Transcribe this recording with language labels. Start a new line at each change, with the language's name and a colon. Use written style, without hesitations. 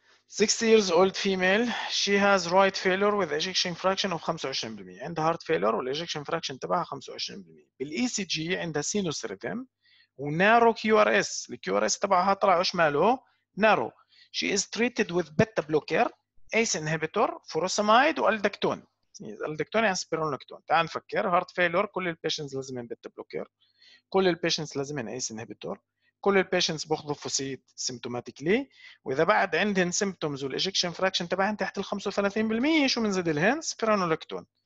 English: 60 years old female, she has right failure with ejection fraction of 25%.
Arabic: عندها heart failure والejection fraction تبعها 25%. بالECG عندها sinus rhythm ونارو QRS. الQRS تبعها طلع وش ماله؟ نارو.
English: She is treated with beta blocker, ACE inhibitor, furosemide والدكتون.
Arabic: الدكتون يعني سبيرونولاكتون. تعال نفكر، heart failure كل الpatients لازمين beta blocker، كل الpatients لازمين ACE inhibitor، كل البيشنتس بياخذوا فوسيد سيمتوماتيكلي، واذا بعد عندهم سيمتومز والاجكشن فراكشن تبعهم تحت ال 35%، شو بنزيد لهم؟ سبيرانولاكتون.